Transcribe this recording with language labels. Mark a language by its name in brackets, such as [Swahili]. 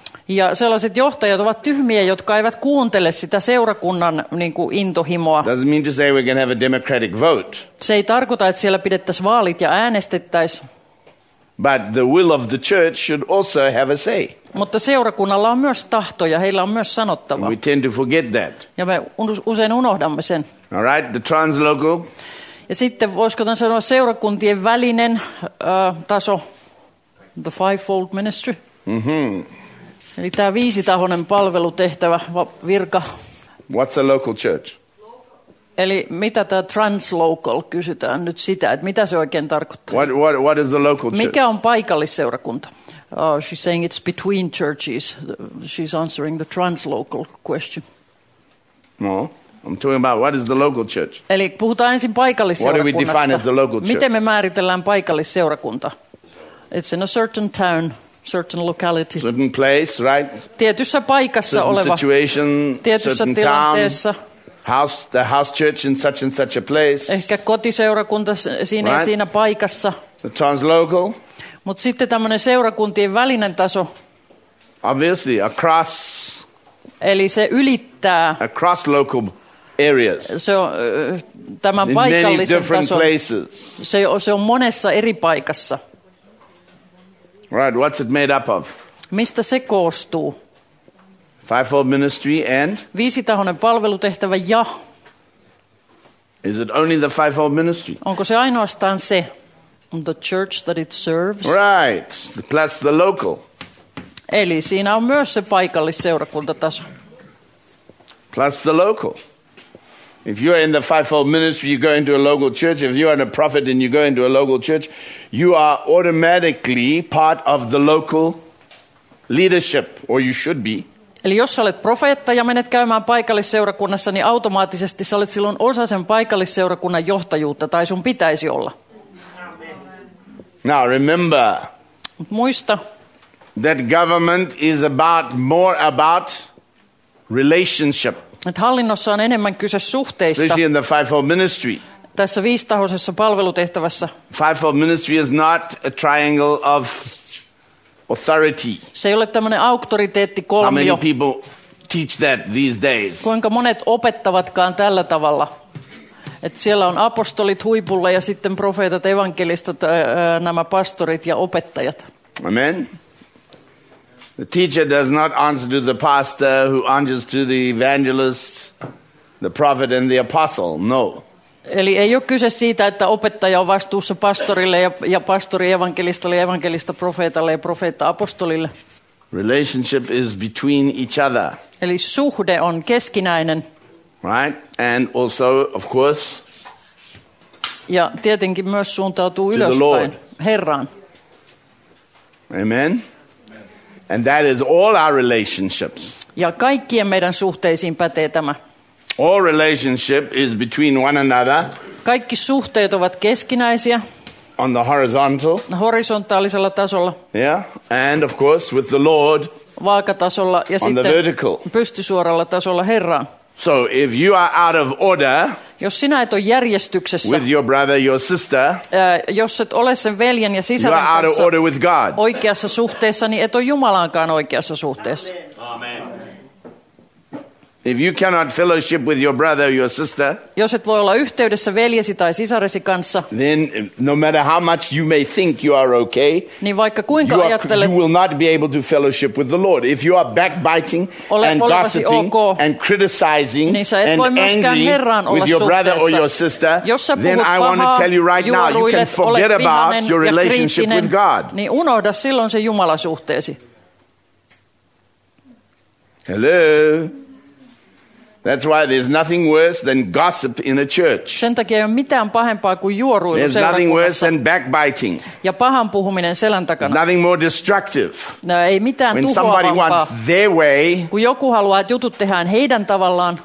[Finnish] Ja sellaiset johtajat ovat tyhmiä, jotka eivät kuuntele sitä seurakunnan niin kuin intohimoa. [English] Doesn't mean to say we can have a democratic vote. [Finnish] Se ei tarkoita, että siellä pidettäisiin vaalit ja äänestettäisiin. [English] But the will of the church should also have a say. [Finnish] Mutta seurakunnalla on myös tahto ja heillä on myös sanottava. [English] We tend to forget that. [Finnish] Ja me usein unohdamme sen. [English] All right, the translocal. [Finnish] Ja sitten voisiko tämän sanoa seurakuntien välinen taso, [English] the fivefold ministry. Mm-hmm. [Finnish] Eli tämä viisitahoinen palvelutehtävä, virka. [English] What's a local church? [Finnish] Eli mitä tämä translocal kysytään nyt sitä, että mitä se oikein tarkoittaa? [English] What is the local church? [Finnish] Mikä on paikallisseurakunta? [English] She's saying it's between churches. She's answering the translocal question. No, I'm talking about what is the local church? [Finnish] Eli puhutaan ensin paikallisseurakunnasta. [English] What do we define as the local church? [Finnish] Miten me määritellään paikallisseurakunta? [English] It's in a certain town. Certain locality. Certain place, right? [Finnish] Tietyssä paikassa [English] certain [Finnish] oleva. [English] Situation, [Finnish] tietyssä tilanteessa. [English] Town, house, the house church in such and such a place. [Finnish] Ehkä kotiseurakunta siinä right? Siinä paikassa. [English] The translocal. [Finnish] Mut sitten tämmönen seurakuntien välinen taso. [English] Obviously, across. [Finnish] Eli se ylittää. [English] Across local areas. [Finnish] Se on tämän [English] in [Finnish] paikallisen [English] many different [Finnish] tason. [English] Places. [Finnish] Se on monessa eri paikassa. [English] Right, what's it made up of? [Finnish] Mistä se koostuu? [English] Fivefold ministry and? [Finnish] Viisitahoinen palvelutehtävä ja. [English] Is it only the fivefold ministry? [Finnish] Onko se ainoastaan se? [English] The church that it serves? Right, plus the local. Eli siinä on myös se paikallisseurakuntataso. Plus the local. If you are in the fivefold ministry, you go into a local church. If you are a prophet and you go into a local church, you are automatically part of the local leadership, or you should be. [Finnish] Eli jos olet profeetta ja menet käymään paikallisseurakunnassa, niin automaattisesti sä olet silloin osa sen paikallisseurakunnan johtajuutta, tai sun pitäisi olla. [English] Now remember. [Finnish] Muista. [English] That government is about more about relationship. [Finnish] Et hallinnossa on enemmän kyse suhteista. [English] Especially in the fivefold ministry. [Finnish] Tässä viistahoisessa palvelutehtävässä. [English] Fivefold ministry is not a triangle of authority. [Finnish] Se ei ole tämmöinen auktoriteetti kolmio. [English] How many people teach that these days? [Finnish] Kuinka monet opettavatkaan tällä tavalla? Että siellä on apostolit huipulla ja sitten profeetat, evankelistat, nämä pastorit ja opettajat. [English] Amen. The teacher does not answer to the pastor who answers to the evangelist, the prophet and the apostle. No. [Finnish] Eli ei ole kyse siitä, että opettaja on vastuussa pastorille ja pastori evankelistalle, evankelista profeetalle ja profeetta apostolille. [English] Relationship is between each other. [Finnish] Eli suhde on keskinäinen. [English] Right? And also, of course, [Finnish] ja tietenkin myös suuntautuu ylöspäin Herraan. [English] Amen. And that is all our relationships. [Finnish] Ja kaikkien meidän suhteisiin pätee tämä. [English] All relationship is between one another. [Finnish] Kaikki suhteet ovat keskinäisiä. [English] On the horizontal. [Finnish] Horisontaalisella tasolla. [English] Yeah, and of course with the Lord. [Finnish] Vaakatasolla ja on sitten [English] the vertical. [Finnish] Pystysuoralla tasolla Herraan. [English] So if you are out of order. [Finnish] Jos sinä et ole järjestyksessä. [English] With your brother, your sister. [Finnish] Jos et ole sen veljen ja sisaren kanssa. [English] You are out of order with God. [Finnish] Oikeassa suhteessa, niin et ole Jumalaankaan oikeassa suhteessa. [English] Amen. If you cannot fellowship with your brother or your sister, [Finnish] jos et voi olla yhteydessä veljesi tai sisaresi kanssa, [English] then no matter how much you may think you are okay, [Finnish] niin vaikka kuinka ajattelet, [English] you will not be able to fellowship with the Lord. If you are backbiting and gossiping okay, and criticizing [Finnish] niin sä et [English] and [Finnish] voi myöskään [English] angry [Finnish] Herraan olla [English] with your brother or your sister, [Finnish] jos sä puhut [English] then [Finnish] pahaa, [English] I want to tell you right now, you can forget about your relationship with God. [Finnish] Niin unohda silloin se Jumala-suhteesi. [English] Hello? That's why there's nothing worse than gossip in a church. [Finnish] Sen takia ei ole mitään pahempaa kuin juoruilu seurakunnassa. [English] There's nothing worse than backbiting. [Finnish] Ja pahan puhuminen selän takana. [English] There's nothing more destructive. [Finnish] No, ei mitään [English] when somebody wants their way. [Finnish] Kun joku haluaa, että jutut tehdään heidän tavallaan.